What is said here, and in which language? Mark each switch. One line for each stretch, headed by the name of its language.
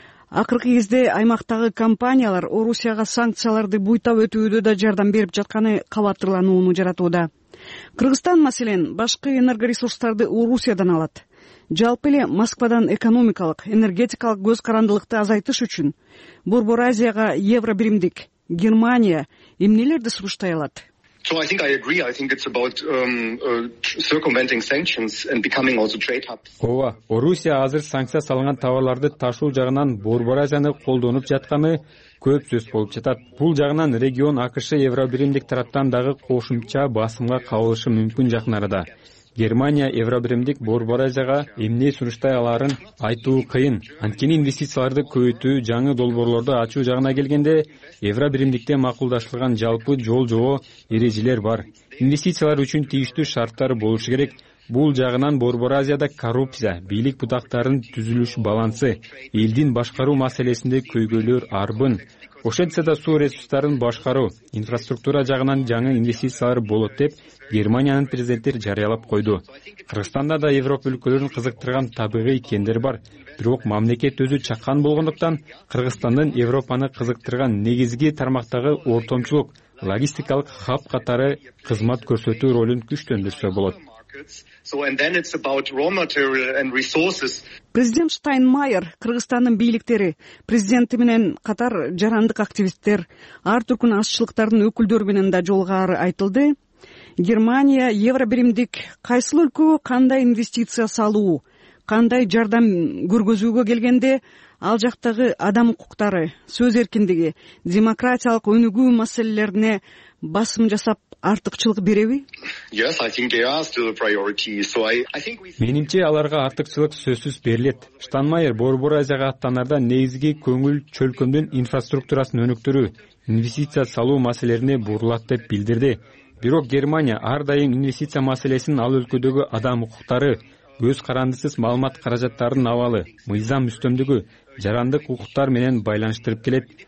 Kyrgyz: Акыркы кезде аймактагы компаниялар Орусияга санкцияларды буйтап өтүүдө да жардам берип жатканы кабатырлануунун жаратууда. Кыргызстан, маселен, башкы энергоресурстарды Орусиядан алат. Жалпы эле Москвадан экономикалык, энергетикалык көз карандылыкты азайтыш үчүн Борбор Азияга Евробиримдик, Германия эмнелерди сунуштай алат?
English: So I think I agree. I think it's about circumventing sanctions and becoming also trade hubs.
Kyrgyz: Ооба, Орусия азыр санкция салынган товарларды ташуу жагынан Борбор Азияны колдонуп жатканы көп сөз болуп жатат. Бул жагынан регион АКШ Евробиримдик тараптан дагы кошумча басымга кабылышы мүмкүн жакын арада. Германия Евробиримдик Борборазияга эмне сунуштай аларын айтуу кыйын. Анткени инвестицияларды көбөйтүү, жаңы долбоорлорду ачуу жагына келгенде, Евробиримдикте макулдашылган жалпы жол-жоо эрежелер бар. Инвестициялар үчүн тийиштүү шарттар болушу керек. Бул жагынан Борборазияда коррупция, бийлик бутактарынын түзүлүш балансы, элдин башкаруу маселесинде көйгөйлөр арбын. Ошентсе да суу ресурстарын башкаруу, инфраструктура жагынан жаңы инвестициялар болот деп Германиянын президенти жарыялап койду. Кыргызстанда да Европа өлкөлөрүн кызыктырган табигый кендер бар, бирок мамлекет өзү чакан болгондуктан Кыргызстандын Европаны кызыктырган негизги тармактагы ортомчулук, логистикалык хаб катары кызмат көрсөтүү ролун күчтөндүрсө болот.
English: So and then it's about raw material and resources.
Kyrgyz: Президент Штайнмайер, Кыргызстандын бийликтери, президенти менен катар жарандык активисттер, ар түркүн азчылыктардын өкүлдөрү менен да жолугуу айтылды. Германия евробиримдик кайсыл өлкөгө кандай инвестиция салуу, кандай жардам көргөзүүгө келгенде ал жактагы адам укуктары, сөз эркиндиги, демократиялык өнүгүү маселелерине басым жасап артыкчылык береби?
English: Yes, I think they are still a priority. So I think we
Kyrgyz: Менимче аларга артыкчылык сөзсүз берилет. Штайнмайер Борбор Азияга аттанарда негизги көңүл чөлкөмдүн инфраструктурасын өнүктүрүү, инвестиция салуу маселелерине бурулат деп билдирди. Бирок Германия ар дайым инвестиция маселесин ал өлкөдөгү адам укуктары, көз карандысыз маалымат каражаттарынын абалы, мыйзам үстөмдүгү, жарандык укуктар менен байланыштырып келет.